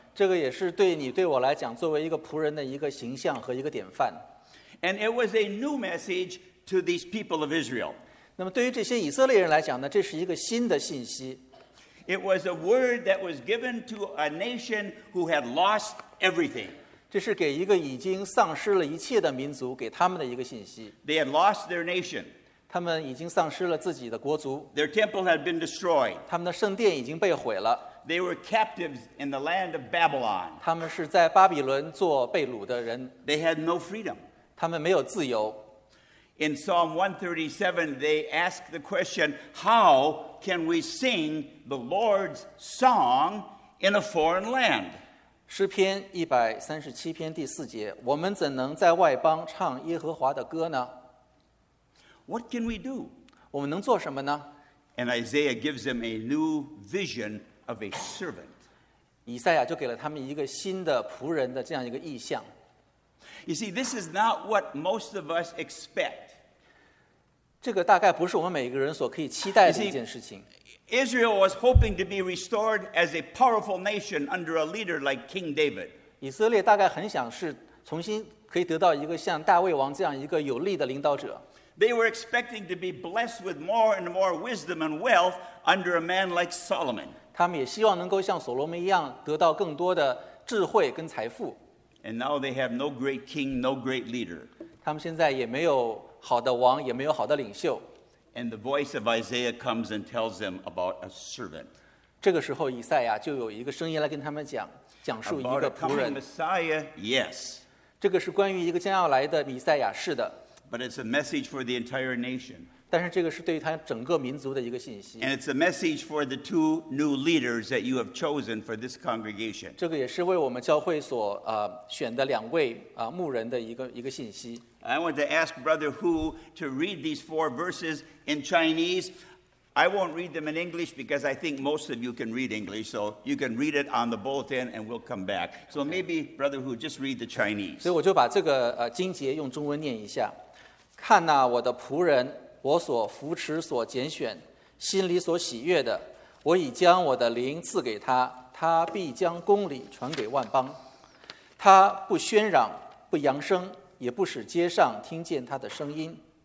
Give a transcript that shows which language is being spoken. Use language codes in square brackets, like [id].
[zh] 这个也是对你对我来讲，作为一个仆人的一个形象和一个典范。 [en] And it was a new message to these people of Israel. [zh] 那么对于这些以色列人来讲呢，这是一个新的信息。 [en] It was a word that was given to a nation who had lost everything. [zh] 这是给一个已经丧失了一切的民族，给他们的一个信息。 [en] They had lost their nation. [zh] 他们已经丧失了自己的国族。 [en] Their temple had been destroyed. [zh] 他们的圣殿已经被毁了。 [en] They were captives in the land of Babylon. [zh] 他们是在巴比伦做被掳的人。 [en] They had no freedom. [zh] 他们没有自由。 [en] In Psalm 137, they ask the question, "How can we sing the Lord's song in a foreign land?" [zh] 诗篇137第四节，我们怎能在外邦唱耶和华的歌呢？ [en] What can we do? [zh] 我们能做什么呢? [en] And Isaiah gives them a new vision of a servant. [zh] 以赛亚就给了他们一个新的仆人的这样一个意象。 [en] You see, this is not what most of us expect. [zh] 这个大概不是我们每个人所可以期待的一件事情。 [en] Israel was hoping to be restored as a powerful nation under a leader like King David. [zh] 以色列大概很想是重新可以得到一个像大卫王这样一个有力的领导者。 [en] They were expecting to be blessed with more and more wisdom and wealth under a man like Solomon. [zh] 他们也希望能够像所罗门一样得到更多的智慧跟财富。 [en] And now they have no great king, no great leader. [zh] 他们现在也没有好的王，也没有好的领袖。 [en] And the voice of Isaiah comes and tells them about a servant. [zh] 这个时候，以赛亚就有一个声音来跟他们讲，讲述一个仆人。 [en] About a coming Messiah, yes. [zh] 这个是关于一个将要来的弥赛亚，是的。 [en] But it's a message for the entire nation. [zh] 但是这个是对于他整个民族的一个信息。 [en] And it's a message for the two new leaders that you have chosen for this congregation. [zh] 这个也是为我们教会所选的两位牧人的一个信息。 [en] I want to ask Brother Hu to read these four verses in Chinese. I won't read them in English because I think most of you can read English. So you can read it on the bulletin and we'll come back. So maybe Brother Hu, just read the Chinese. [zh] 所以我就把这个经节用中文念一下。看哪，我的仆人，我所扶持、所拣选、心里所喜悦的，我已将我的灵赐给他，他必将公理传给万邦。他不喧嚷，不扬声，也不使街上听见他的声音。